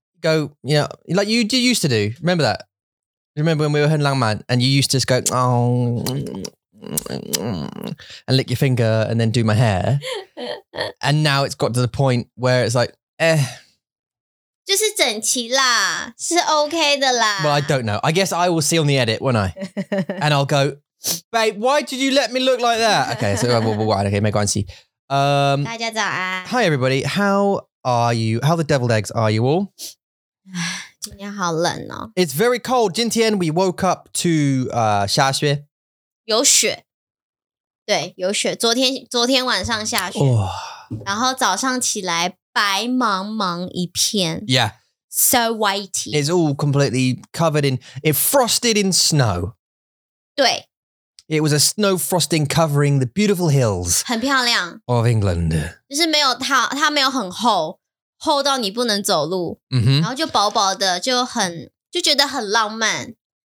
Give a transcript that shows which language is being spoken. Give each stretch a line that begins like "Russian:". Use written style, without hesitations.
English: Go, you know, like you used to do, remember that? Remember when we were
Chinese: 很浪漫
English: and you used to just go, oh, and lick your finger and then do my hair. And now it's got to the point where it's like, eh.
Chinese: 就是整齐啦是 OK 的啦。
English: Well, I don't know. I guess I will see on the edit, won't I? And I'll go, babe, why did you let me look like that? Okay, so okay,
Chinese: 没关系。大家早安。
English: Hi, everybody. How are you? How the deviled eggs are you all?
Chinese: 今天好冷哦。
English: It's very cold.
Chinese: 今天
English: we woke up to
Chinese: 下雪。有雪。对有雪昨天晚上下雪。 Oh. 然后早上起来白茫茫一片。
English: Yeah. So whitey. It's all completely covered in, it frosted in snow.
Chinese: 对。
English: It was a snow frosting covering the beautiful hills.
Chinese: 很漂亮。
English: Of England.
Chinese: 就是没有它没有很厚厚到你不能走路。 Mm-hmm. 然后就薄薄的就很就觉得很浪漫。